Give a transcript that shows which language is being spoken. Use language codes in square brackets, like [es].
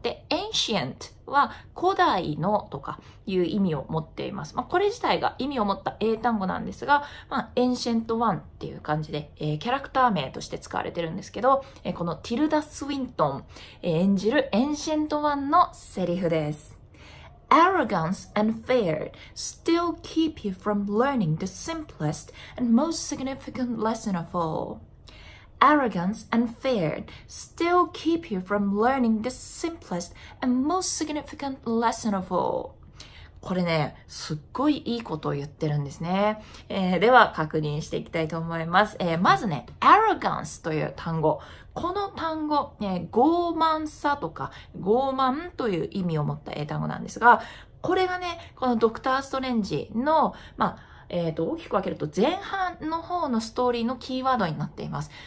[ja] で、ancient は古代のとかいう意味を持っています。まあ、これ自体が意味を持った英単語なんですが、まあ、ancient one っていう感じで、キャラクター名として使われてるんですけど、このティルダ・スウィントン、演じる ancient one のセリフです。 [en] Arrogance and fear still keep you from learning the simplest and most significant lesson of all. Arrogance and fear still keep you from learning the simplest and most significant lesson of all. [ja] これね、すっごいいいことを言ってるんですね。では確認していきたいと思います。まずね、arrogance という単語。この単語、傲慢さとか、傲慢という意味を持った英単語なんですが、これがね、このドクター・ストレンジの、まあ、大きく分けると前半の方のストーリーのキーワードになっています。